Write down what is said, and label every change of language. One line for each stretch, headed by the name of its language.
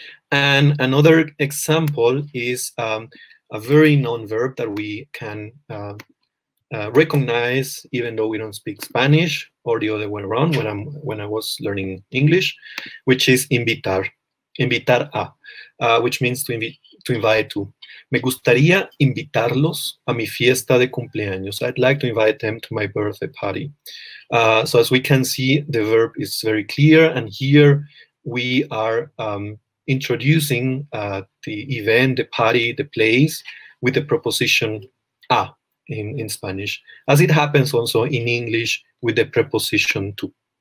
English: And another example is a very known verb that we can recognize even though we don't speak Spanish, or the other way around when I was learning English, which is invitar, invitar a, which means to invite to.
Spanish: Me gustaría invitarlos a mi fiesta de cumpleaños.
English: I'd like to invite them to my birthday party. So as we can see, the verb is very clear, and here we are introducing the event, the party, the place, with the preposition a in Spanish, as it happens also in English with the preposition to.